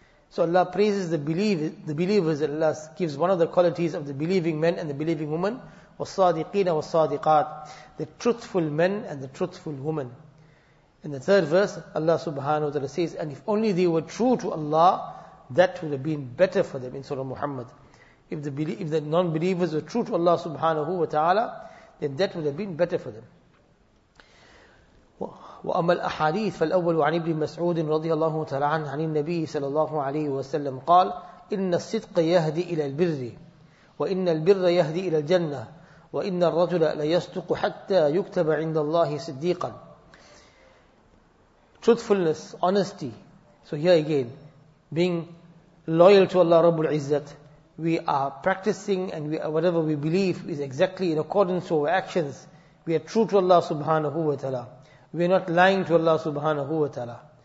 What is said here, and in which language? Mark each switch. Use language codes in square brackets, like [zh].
[en] So Allah praises the believers, and Allah gives one of the qualities of the believing men and the believing women, [ar] وَالصَّادِقِينَ وَالصَّادِقَاتِ, [en] the truthful men and the truthful women. In the third verse, Allah subhanahu wa ta'ala says, and if only they were true to Allah, that would have been better for them, in Surah Muhammad. If the non-believers were true to Allah subhanahu wa ta'ala, then that would have been better for them. [ar] وأما الأحاديث فالأول عن ابن مسعود رضي الله تعالى عنه عن النبي صلى الله عليه وسلم قال إن الصدق يهدي إلى البر وإن البر يهدي إلى الجنة وإن الرجل ليصدق حتى يكتب عند الله صديقا. [en] Truthfulness, honesty. So here again, being loyal to Allah [ar] رب العزة, [en] we are practicing and whatever we believe is exactly in accordance with our actions. We are true to Allah subhanahu wa ta'ala. We are not lying to Allah subhanahu wa ta'ala.